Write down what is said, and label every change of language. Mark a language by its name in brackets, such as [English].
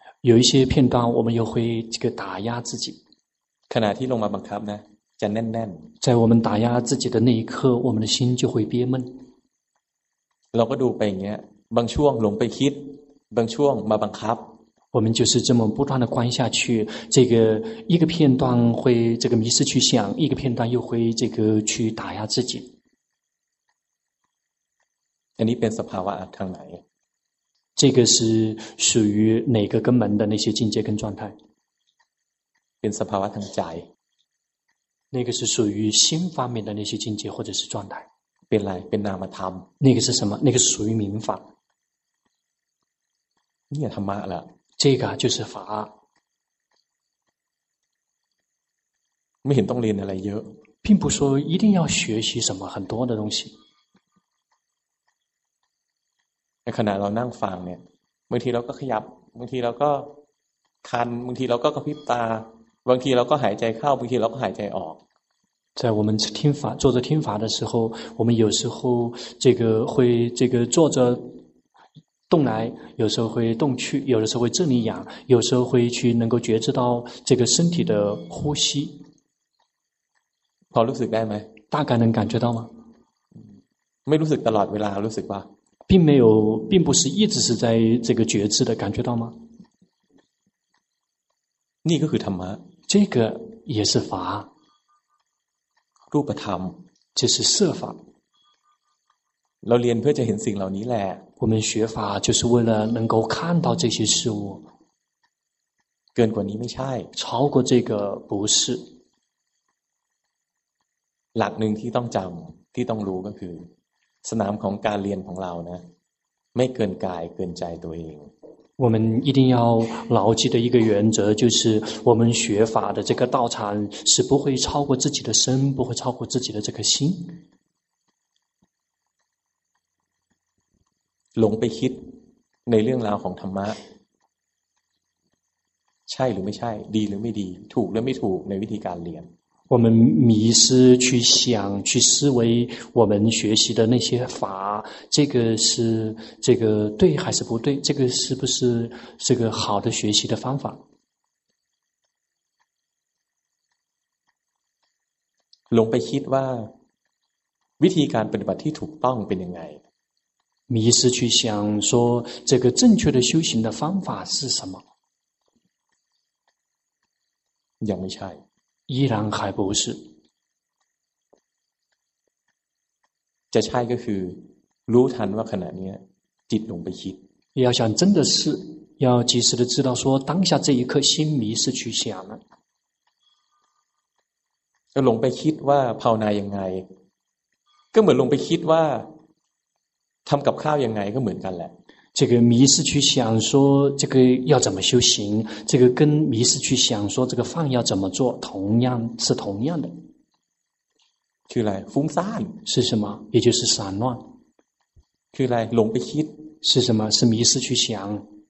[Chinese] 有一些片段我们又会这个打压自己 [Thai] ขณะที่ลงมาบังคับนะจะแน่น [Chinese] ๆ在我们打压自己的那一刻我们的心就会憋闷 [Thai] เราก็ดูไปอย่างเงี้ยบางช่วงลงไปคิดบางช่วงมาบังคับ [Chinese] 我们就是这么不断的观下去这个一个片段会这个迷失去想一个片段又会这个去打压自己 [Thai] อันนี้เป็นสภาวะทางไหน [Chinese] 这个是属于哪个根本的那些境界跟状态 [Thai] เป็นสภาวะทางใจ [Chinese] 那个是属于心方面的那些境界或者是状态 [Thai] เป็นอะไรเป็นนามธรรม [Chinese] 那个是什么那个是属于明法 [Thai] นี่ธรรมะแหละ [Chinese] 这个就是法 [Thai] ไม่เห็นต้องเรียนอะไรเยอะ [Chinese] 并不说一定要学习什么很多的东西 [Thai] ในขณะเรานั่งฟังเนี่ยบางทีเราก็ขยับบางทีเราก็คันบางทีเราก็กระพริบตาบางทีเราก็หายใจเข้าบางทีเราก็หายใจออก [Chinese] 在我们听法坐着听法的时候我们有时候这个会这个坐着动来有时候会动去有的时候会这里痒有时候会去能够觉知到这个身体的呼吸 [Thai] พอรู้สึกได้ไหม [Chinese] 大概能感觉到吗 [Thai] ไม่รู้สึกตลอดเวลารู้สึกป่ะ [Chinese] 并不是一直是在这个觉知的感觉到吗 [Thai] นี่ก็คือธรรมะ [Chinese] 这个也是法 [Thai] รูปธรรม [Chinese] 这是色法 [Thai] เราเรียนเพื่อจะเห็นสิ่งเหล่านี้แหละ [Chinese] 我们学法就是为了能够看到这些事物 [Thai] เกินกว่านี้ไม่ใช่ [Chinese] 超过这个不是 [Thai] หลักหนึ่งที่ต้องจำที่ต้องรู้ก็คือสนามของการเรียนของเรานะไม่เกินกายเกินใจตัวเอง [Chinese] 我们一定要牢记的一个原则就是我们学法的这个道场是不会超过自己的身不会超过自己的这颗心 [Thai] หลงไปคิดในเรื่องราวของธรรมะใช่หรือไม่ใช่ดีหรือไม่ดีถูกหรือไม่ถูกในวิธีการเรียน [Chinese] 我们迷失去想去思维我们学习的那些法这个是这个对还是不对这个是不是这个好的学习的方法 [Thai] ลงไปคิดว่าวิธีการปฏิบัติที่ถูกต้องเป็นยังไง [Chinese] 迷失去想说这个正确的修行的方法是什么 [Thai] ยังไม่ใช่ [Chinese] 依然还不是 [Thai] จะใช่ก็คือรู้ทันว่าขณะนี้จิตหลงไปคิด [Chinese] 要想真的是要及时的知道说当下这一刻心迷失去想了 [Thai] หลงไปคิดว่าภาวนายังไงก็เหมือนหลงไปคิดว่าทำกับข้าวยังไงก็เหมือนกันแหละ [Chinese] 这个迷失去想说这个要怎么修行这个跟迷失去想说这个饭要怎么做同样是同样的去来风散是什么也就是散乱去来龙被吸是什么是迷失去想